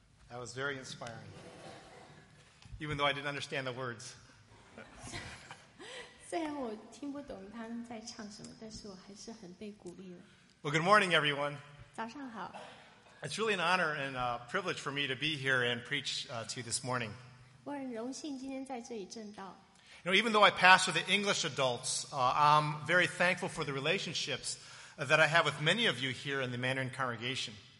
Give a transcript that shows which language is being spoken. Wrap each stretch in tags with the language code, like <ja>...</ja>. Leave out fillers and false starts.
<en>That was very inspiring, even though I didn't understand the words.</en> <zh>虽然我听不懂他们在唱什么，但是我还是很被鼓励了。</zh> <en>Well, good morning, everyone.</en> <zh>早上好。</zh> <en>It's really an honor and a privilege for me to be here and preach to you this morning.</en> <zh>我很荣幸今天在这里证道。</zh> <en>You know, even though I pastor the English adults, I'm very thankful for the relationships that I have with many of you here in the Mandarin congregation.</en>